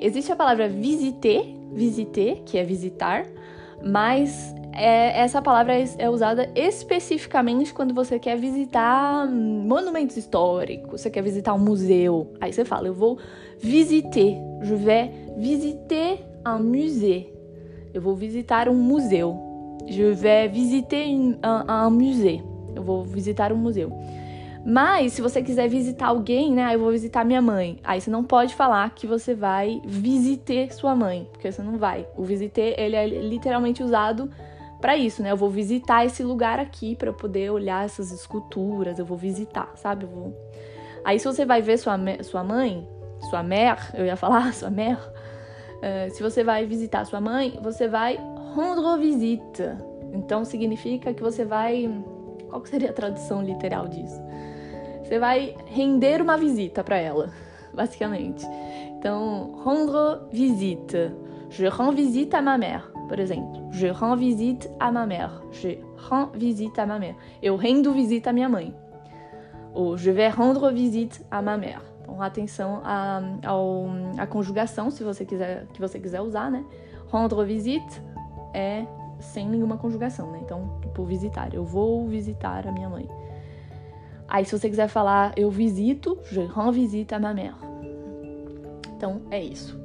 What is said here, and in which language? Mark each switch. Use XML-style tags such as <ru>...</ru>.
<pt>Existe a palavra visiter, que é visitar, mas essa palavra é usada especificamente quando você quer visitar monumentos históricos, você quer visitar um museu. Aí você fala, eu vou visiter,</pt> <fr>je vais visiter un musée.</fr> <pt>Eu vou visitar um museu.</pt> <fr>Je vais visiter un musée.</fr> <pt>Eu vou visitar um museu. Mas, se você quiser visitar alguém, né? Eu vou visitar minha mãe. Aí você não pode falar que você vai visiter sua mãe, porque você não vai. O visiter, ele é literalmente usado pra isso, né? Eu vou visitar esse lugar aqui pra eu poder olhar essas esculturas. Eu vou visitar, sabe? Aí, se você vai ver sua mãe, sua mère, eu ia falar sua mère. Se você vai visitar sua mãe, você vai rendre visite. Então, significa que você vai... Qual que seria a tradução literal disso? Você vai render uma visita pra ela, basicamente. Então, rendre visite.</pt> <fr>Je rends visite à ma mère,</fr> <pt>por exemplo.</pt> <fr>Je rends visite à ma mère. Je rends visite à ma mère.</fr> <pt>Eu rendo visita à minha mãe.</pt> <fr>Ou je vais rendre visite à ma mère.</fr> <pt>Então, atenção à conjugação, se você quiser, que você quiser usar, né? Rendre visite é sem nenhuma conjugação, né? Então, tipo, visitar. Eu vou visitar a minha mãe. Aí, se você quiser falar, eu visito,</pt> <fr>je rends visite à ma mère.</fr> <pt>Então, é isso.</pt>